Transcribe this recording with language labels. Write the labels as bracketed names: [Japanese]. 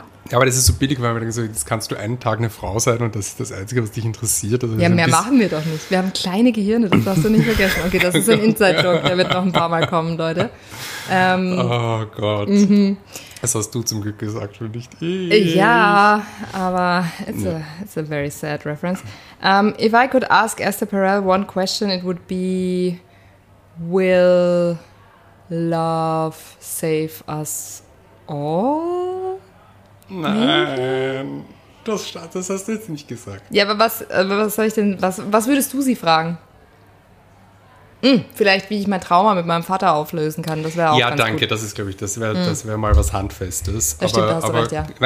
[German] Ja, aber das ist so billig, weil man denkt so, jetzt kannst du einen Tag eine Frau sein und das ist das Einzige, was dich interessiert. Also ja, mehr machen wir doch nicht. Wir haben kleine Gehirne, das darfst du nicht vergessen. Okay, das ist ein Inside-Joke, der wird noch ein paar Mal kommen, Leute. Oh Gott. Mhm. Das hast du zum Glück gesagt und nicht ich. Ja, aber [English] it's a very sad reference. If I could ask Esther Perel one question, it would be, will love save us all? [German] Nein, das hast du jetzt nicht gesagt. Ja, aber was soll ich denn, was würdest du sie fragen? Vielleicht, wie ich mein Trauma mit meinem Vater auflösen kann, das wäre auch ja, ganz danke, gut. Ja, danke, das ist, glaube ich, das wäre mal was Handfestes. Das aber, stimmt, da hast aber, du recht, ja.